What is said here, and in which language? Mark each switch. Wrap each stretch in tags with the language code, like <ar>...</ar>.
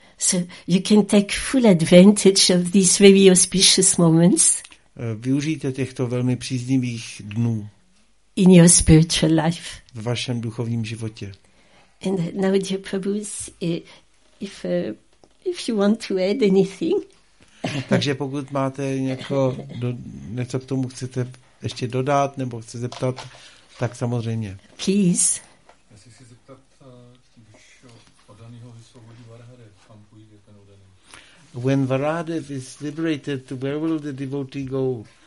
<en>So you can take full advantage of these very auspicious moments.</en> <cs>Využijte těchto velmi příznivých dnů.</cs> <en>In your spiritual life.</en> <cs>V vašem duchovním životě.</cs> <en>And now, dear Prabhus, if you want to add anything.</en> <cs>Takže pokud máte něco k tomu chcete ještě dodat nebo chcete zeptat, tak samozřejmě.</cs> <en>Please.</en> <cs>Já si chci zeptat, když odanýho vysvobodí Varahadev, kam půjde ten odaný?</cs> <en>When Varahadev is liberated, where will the devotee go?</en>